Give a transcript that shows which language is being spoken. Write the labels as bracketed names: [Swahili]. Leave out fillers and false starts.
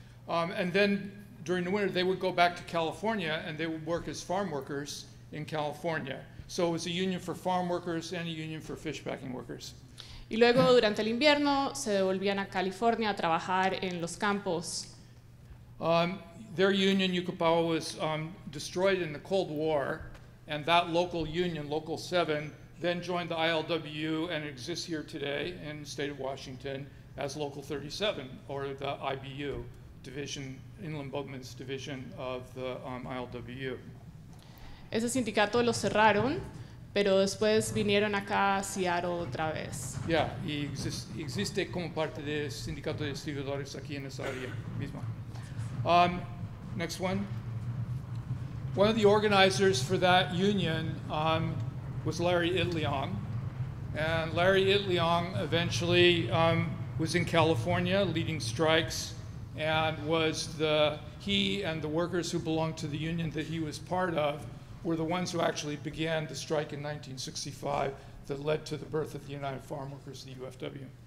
[English] And then during the winter they would go back to California and they would work as farm workers in California. So it was a union for farm workers and a union for fish packing workers. [Spanish] Y luego, durante el invierno, se devolvían a California a trabajar en los campos. [English] Their union, Yucapao, was destroyed in the Cold War, and that local union, Local 7, then joined the ILWU and exists here today in the state of Washington as Local 37, or the IBU, Division, Inland Boatman's Division of the ILWU. [Spanish] Ese sindicato lo cerraron, pero después vinieron acá a Seattle otra vez. Yeah, y existe como parte del sindicato de distribuidores aquí en esa área misma. [English] Next one. One of the organizers for that union was Larry Itliong. And Larry Itliong eventually was in California leading strikes, and was he and the workers who belonged to the union that he was part of were the ones who actually began the strike in 1965 that led to the birth of the United Farm Workers, the UFW.